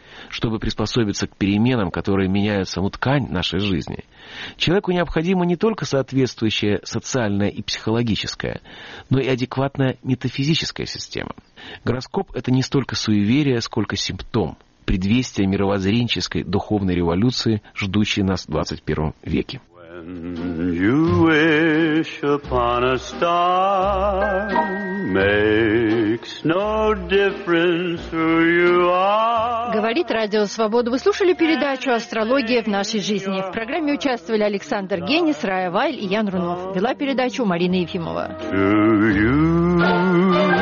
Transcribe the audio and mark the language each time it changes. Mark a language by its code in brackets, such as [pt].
[ru] Чтобы приспособиться к переменам, которые меняют саму ткань нашей жизни, человеку необходимо не только соответствующая социальная и психологическая, но и адекватная метафизическая система. Гороскоп – это не столько суеверие, сколько симптом, предвестие мировоззренческой духовной революции, ждущей нас в 21 веке. [en] you wish upon a star makes no difference who you are. [ru] Говорит Радио Свобода. Вы слушали передачу «Астрология в нашей жизни». В программе участвовали Александр Генис, Рая Вайль и Ян Рунов. Вела передачу Марина Ефимова. [en] To you.